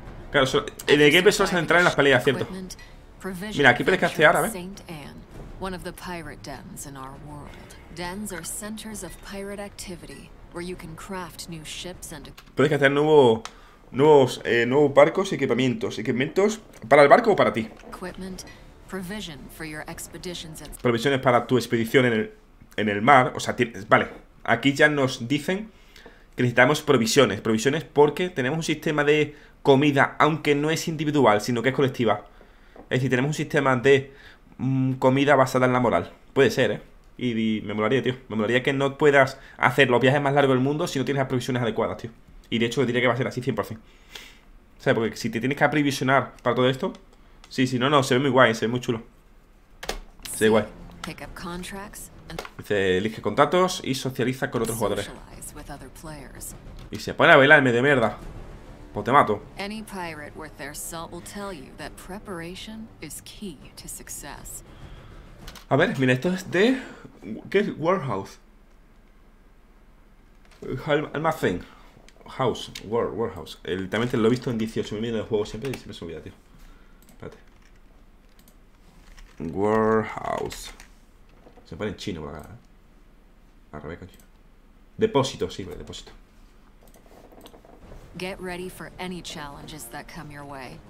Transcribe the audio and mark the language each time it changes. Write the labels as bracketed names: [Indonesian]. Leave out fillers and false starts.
[Spanish] Claro, solo, en el gameplay solo se centra en las peleas, ¿cierto? Mira, aquí puedes castear, a ver. [English] One of the pirate dens in our world. Dens are centers of pirate activity where you can craft new ships and [Spanish] puedes hacer nuevos barcos, equipamientos para el barco o para ti. [English] Equipment, provision for your expeditions and [Spanish] provisiones para tu expedición en el mar, o sea, vale. Aquí ya nos dicen que necesitamos provisiones porque tenemos un sistema de comida, aunque no es individual, sino que es colectiva. Es decir, tenemos un sistema de comida basada en la moral. Puede ser, ¿eh? Y me molaría, tío. Me molaría que no puedas hacer los viajes más largos del mundo si no tienes las provisiones adecuadas, tío. Y de hecho, diría que va a ser así 100%. O sea, porque si te tienes que aprovisionar para todo esto... Sí, si no, no. Se ve muy guay. Se ve muy chulo. Se ve guay. Dice, elige contratos y socializa con otros jugadores. Y se pone a bailar en medio de mierda. Pues te mato. [English] Any pirate worth their salt will tell you that preparation is key to success. [Spanish] A ver, mira, esto es de... ¿Qué es? Warehouse. Almacén. House. Warehouse. También te lo he visto en 18.000 millones de juegos siempre y siempre se me olvida, tío. Espérate. Warehouse. Se pone en chino por acá, ¿eh? A Rebeca, tío. Depósito, sí, vale, depósito. [English] Get ready for any challenges that come your way.